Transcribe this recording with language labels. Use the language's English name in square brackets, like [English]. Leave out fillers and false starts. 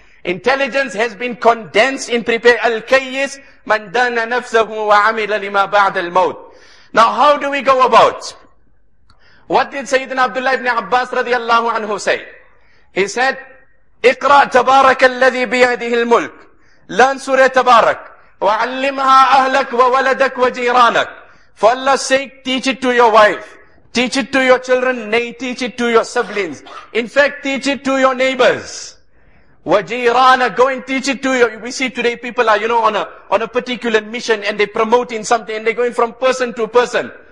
[English] Intelligence has been condensed in preparing [Arabic] Al-Kayyis, Man Dana Nafsahu Wa Amila Lima Ba'd Al-Mawt. [English] Now how do we go about? What did Sayyidina Abdullah ibn Abbas radiallahu anhu say? He said, [Arabic] اقرأ تبارك الذي بيده الملك. [English] Learn Surah Tabarak. [Arabic] وعلمها أهلك وولدك وجيرانك. [English] For Allah's sake, teach it to your wife. Teach it to your children, nay, teach it to your siblings. In fact, teach it to your neighbors. Wajirana, go and teach it to your, we see today people are, you know, on a particular mission and they're promoting something and they're going from person to person.